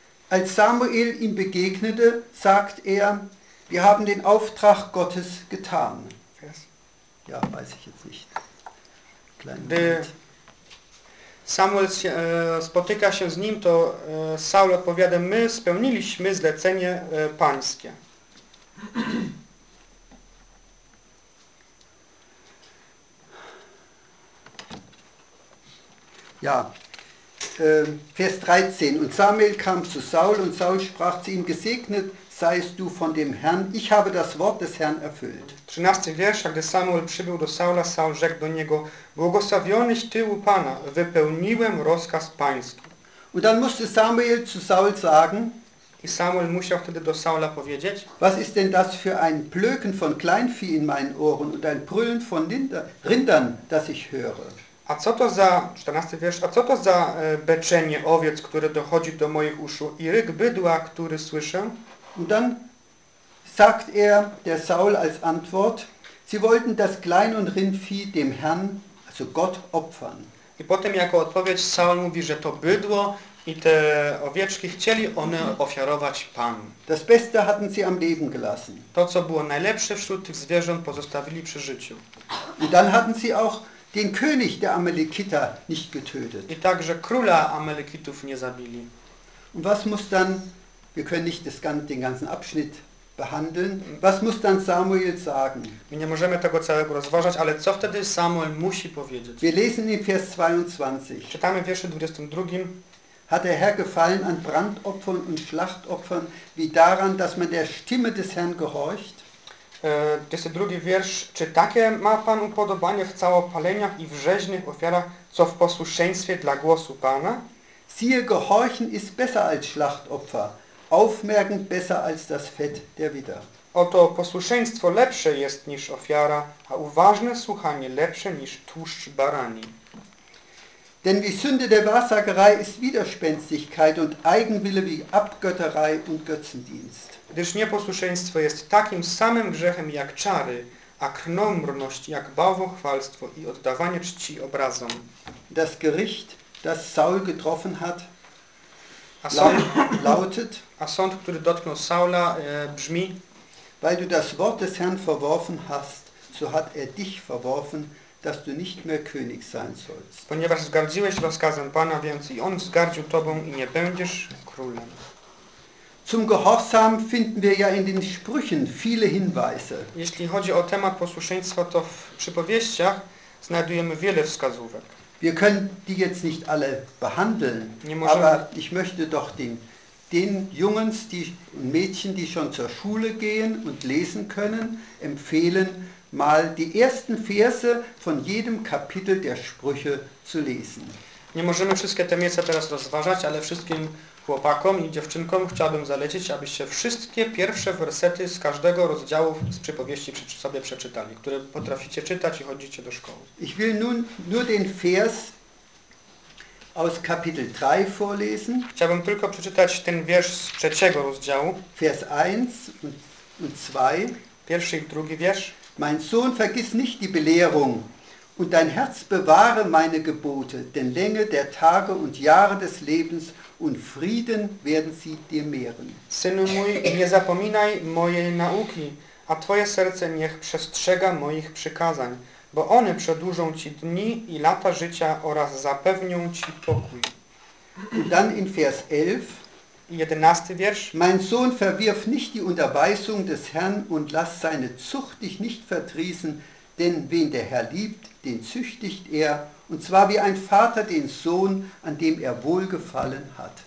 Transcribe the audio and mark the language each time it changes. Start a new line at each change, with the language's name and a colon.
German: Als Samuel ihm begegnete, sagt er: Wir haben den Auftrag Gottes getan.
English: Yes.
German: Ja, weiß ich jetzt nicht.
Polish: Gdy Samuel spotyka się z nim, to Saul odpowiada: my spełniliśmy zlecenie pańskie.
German: Ja, Vers 13. Und Samuel kam zu Saul und Saul sprach zu ihm: gesegnet seist du von dem Herrn, ich habe das Wort des Herrn erfüllt.
Polish: 13. wiersz, gdy Samuel przybył do Saula, Saul rzekł do niego: błogosławionyś ty u Pana, wypełniłem rozkaz Pański.
German: Und dann musste Samuel zu Saul sagen,
Polish: i Samuel musiał wtedy do Saula powiedzieć:
German: was ist denn das für ein Blöken von Kleinvieh in meinen Ohren und ein Brüllen von Rindern, das ich höre?
Polish: A co to za, 14. wiersz, a co to za beczenie owiec, które dochodzi do moich uszu i ryk bydła, który słyszę?
German: Und dann sagt er, der Saul als Antwort, sie wollten das Klein- und Rindvieh dem Herrn, also Gott, opfern.
Polish: I potem jako odpowiedź Saul mówi, że to bydło i te owieczki chcieli one ofiarować Panu.
German: Das Beste hatten sie am Leben gelassen.
Polish: To, co było najlepsze wśród tych zwierząt, pozostawili przy życiu.
German: I dann hatten sie auch den König der Amalekiter nicht getötet.
Polish: I także króla Amalekitów nie zabili.
German: Und was muss dann, wir können nicht das ganze, den ganzen Abschnitt behandeln, was muss dann Samuel sagen?
Polish: My nie możemy tego całego rozważać, ale co wtedy Samuel musi powiedzieć?
German: Wir lesen in Vers 22.
Polish: Czytamy w wierszu 22.
German: Hat der Herr gefallen an Brandopfern und Schlachtopfern, wie daran, dass man der Stimme des Herrn gehorcht?
Polish: 22 wiersz, czy takie ma Pan upodobanie w całopaleniach i w rzeźnych ofiarach, co w posłuszeństwie dla głosu Pana?
German: Siehe, gehorchen ist besser als Schlachtopfer, aufmerken besser als das Fett der Widder.
Polish: Oto posłuszeństwo lepsze jest niż ofiara, a uważne słuchanie lepsze niż tłuszcz barani.
German: Denn wie Sünde der Wahrsagerei ist Widerspenstigkeit und Eigenwille wie Abgötterei und Götzendienst.
Polish: Gdyż nieposłuszeństwo jest takim samym grzechem jak czary, a krnąbrność jak bałwochwalstwo i oddawanie czci obrazom.
German: Das Gericht, das Saul getroffen hat, lautet,
Polish: a sąd, który dotknął Saula, brzmi,
German: weil du das Wort des Herrn verworfen hast, so hat er dich verworfen, dass du nicht mehr König sein sollst.
Polish: Ponieważ zgardziłeś rozkazem Pana, więc i on zgardził tobą i nie będziesz królem.
German: Zum Gehorsam finden wir ja in den Sprüchen viele Hinweise.
Polish: Jeśli chodzi o temat posłuszeństwa, to w przypowieściach znajdujemy wiele wskazówek.
German: Wir können die jetzt nicht alle behandeln, aber ich möchte doch den Jungens, die Mädchen, die schon zur Schule gehen und lesen können, empfehlen, mal die ersten Verse von jedem Kapitel der Sprüche zu lesen.
Polish: Nie możemy wszystkie te miejsca teraz rozważać, ale wszystkim chłopakom i dziewczynkom chciałbym zalecić, abyście wszystkie pierwsze wersety z każdego rozdziału z przypowieści sobie przeczytali, które potraficie czytać i chodzicie do szkoły.
German: Ich will nur den Vers aus Kapitel 3 vorlesen.
Polish: Chciałbym tylko przeczytać ten wiersz z trzeciego rozdziału.
German: Vers 1 und 2.
Polish: Pierwszy i drugi wiersz.
German: Mein Sohn, vergiss nicht die Belehrung und dein Herz bewahre meine Gebote, denn Länge der Tage und Jahre des Lebens und Frieden werden sie dir mehren.
Polish: Synu mój, nie zapominaj mojej nauki, a twoje serce niech przestrzega moich przykazań, bo one przedłużą ci dni i lata życia oraz zapewnią ci pokój.
German: Und dann in Vers 11.
Polish: 11. wiersz.
German: Mein Sohn, verwirf nicht die Unterweisung des Herrn und lass seine Zucht dich nicht verdrießen, denn wen der Herr liebt, den züchtigt er, und zwar wie ein Vater den Sohn, an dem er wohlgefallen hat.